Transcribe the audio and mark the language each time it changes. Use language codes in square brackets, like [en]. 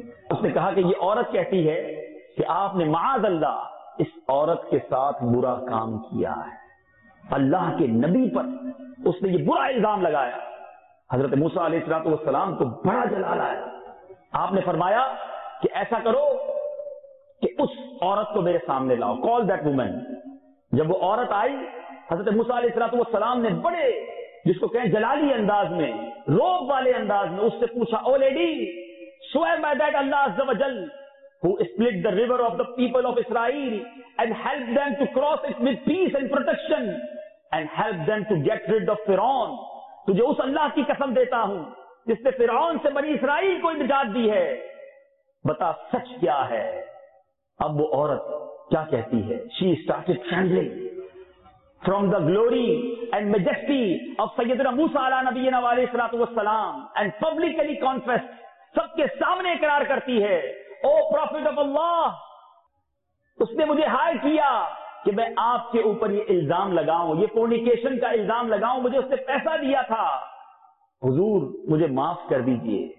[ur] اس نے کہا کہ یہ عورت کہتی ہے کہ آپ نے معاذ اللہ اس عورت کے ساتھ برا کام کیا ہے, اللہ کے نبی پر اس نے یہ برا الزام لگایا. حضرت موسیٰ علیہ السلام کو بڑا جلال آیا, آپ نے فرمایا کہ ایسا کرو کہ اس عورت کو میرے سامنے لاؤ, [en] Call that woman. [ur] جب وہ عورت آئی, حضرت موسیٰ علیہ السلام نے بڑے جس کو کہیں جلالی انداز میں, روب والے انداز میں اس سے پوچھا, [en] O lady swear by that Allah عز و جل who split the river of the people of Israel and helped them to cross it with peace and protection and helped them to get rid of Firaun. [ur] تجھے اس اللہ کی قسم دیتا ہوں جس نے فرعون سے بنی اسرائیل کو نجات دی ہے, بتا سچ کیا ہے. اب وہ عورت کیا کہتی ہے, [en] she started trembling from the glory and majesty of [ur] سیدنا موسیٰ علیہ نبینا علیہ الصلوۃ والسلام [en] and publicly confessed, [ur] سب کے سامنے اقرار کرتی ہے, [en] O prophet of [ur] اللہ, اس نے مجھے ہائر کیا کہ میں آپ کے اوپر یہ الزام لگاؤں, یہ فورنیکیشن کا الزام لگاؤں, مجھے اس نے پیسہ دیا تھا, حضور مجھے معاف کر دیجئے.